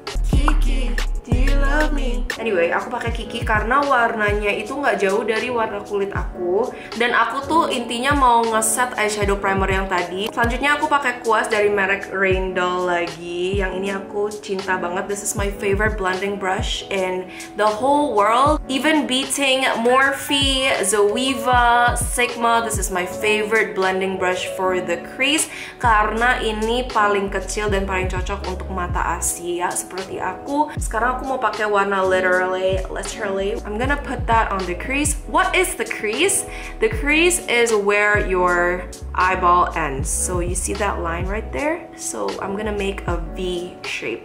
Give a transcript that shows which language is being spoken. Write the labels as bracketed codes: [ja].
[en] Kiki, do you love me? [id] Anyway, aku pakai Kiki karena warnanya itu nggak jauh dari warna kulit aku. Dan aku tuh intinya mau ngeset eyeshadow primer yang tadi. Selanjutnya aku pakai kuas dari merek Rindol lagi. Yang ini aku cinta banget. [en] This is my favorite blending brush in the whole world. Even beating Morphe, Zoeva, Sigma. This is my favorite blending brush for the crease. [id] Karena ini paling kecil dan paling cocok untuk mata Asia seperti aku. Sekarang aku mau pakai warna [en] literally. I'm gonna put that on the crease. What is the crease? The crease is where your eyeball ends. So you see that line right there? So I'm gonna make a V shape.